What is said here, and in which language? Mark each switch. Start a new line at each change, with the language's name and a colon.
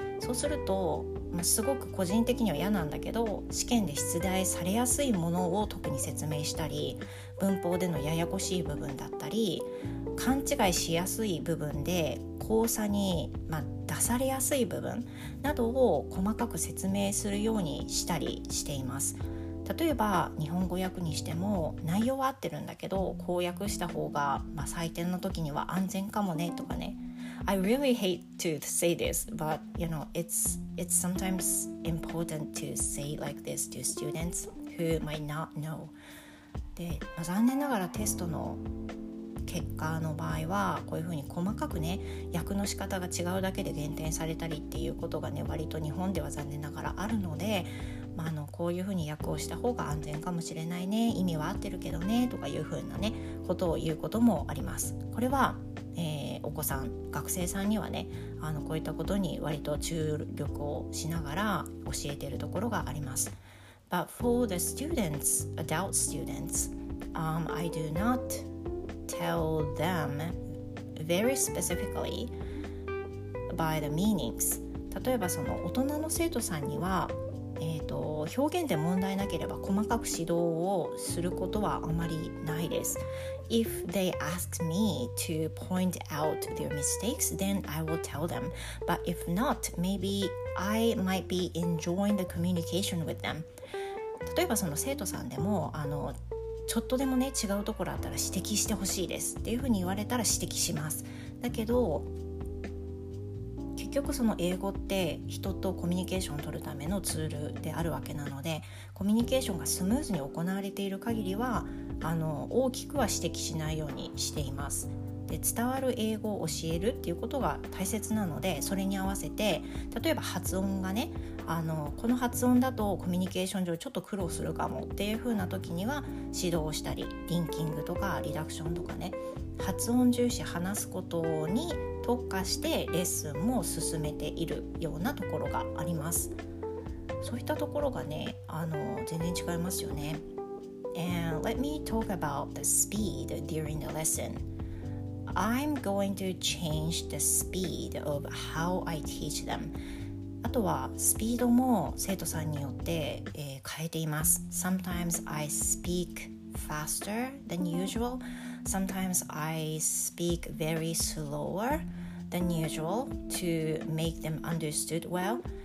Japanese: そうすると、まあ、すごく個人的には嫌なんだけど、試験で出題されやすいものを特に説明したり、文法でのややこしい部分だったり、勘違いしやすい部分で考察に、まあ、出されやすい部分などを細かく説明するようにしたりしています。例えば日本語訳にしても内容は合ってるんだけど、こう訳した方が、まあ、採点の時には安全かもねとかね。
English: I really hate to say this, but you know, it's sometimes important to say like this to students who might not know.
Japanese: で、まあ、残念ながらテストの結果の場合はこういうふうに細かくね、訳の仕方が違うだけで減点されたりっていうことがね、割と日本では残念ながらあるので、まあ、こういうふうに訳をした方が安全かもしれないね、意味は合ってるけどねとかいうふうなね、ことを言うこともあります。これは、お子さん、学生さんにはね、こういったことに割と注力をしながら教えているところがあります。
English: But for the students, adult students, I do notTell them very specifically by the meanings.
Japanese: 例えばその大人の生徒さんには、表現で問題なければ細かく指導をすることはあまりないです。
English: If they ask me to point out their mistakes, then I will tell them. But if not, maybe I might be enjoying the communication with them.
Japanese: 例えばその生徒さんでもちょっとでもね、違うところあったら指摘してほしいですっていうふうに言われたら指摘します。だけど結局その英語って人とコミュニケーションを取るためのツールであるわけなので、コミュニケーションがスムーズに行われている限りは大きくは指摘しないようにしています。で、伝わる英語を教えるっていうことが大切なので、それに合わせて例えば発音がね、この発音だとコミュニケーション上ちょっと苦労するかもっていう風な時には指導をしたり、リンキングとかリダクションとかね、発音重視、話すことに特化してレッスンも進めているようなところがあります。そういったところがね、全然違いますよね。
English: And let me talk about the speed during the lesson. I'm going to change the speed of how I teach them.
Japanese: あとはスピードも生徒さんによって、変えています。
English: Sometimes I speak faster than usual. Sometimes I speak very slower than usual to make them understood well.